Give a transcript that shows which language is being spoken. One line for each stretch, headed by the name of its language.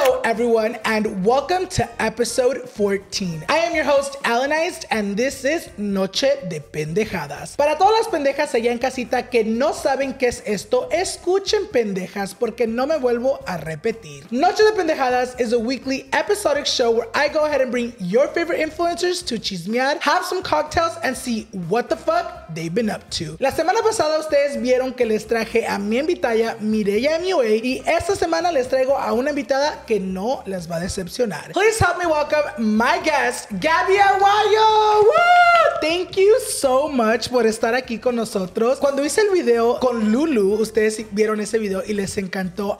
English: Everyone, and welcome to episode 14. I am your host, Alannized, and this is Noche De Pendejadas.
Spanish: Para todas las pendejas allá en casita que no saben qué es esto, escuchen pendejas porque no me vuelvo a repetir.
English: Noche De Pendejadas is a weekly episodic show where I go ahead and bring your favorite influencers to chismear, have some cocktails, and see what the fuck they've been up to.
Spanish: La semana pasada ustedes vieron que les traje a mi invitada, Mireya MUA, y esta semana les traigo a una invitada que no les va a decepcionar.
English: Please help me welcome my guest, Gabbi Aguayo. Woo! Thank you so much
Spanish: por estar aquí con nosotros. Cuando hice el video con Lulu, ustedes vieron ese video y les encantó.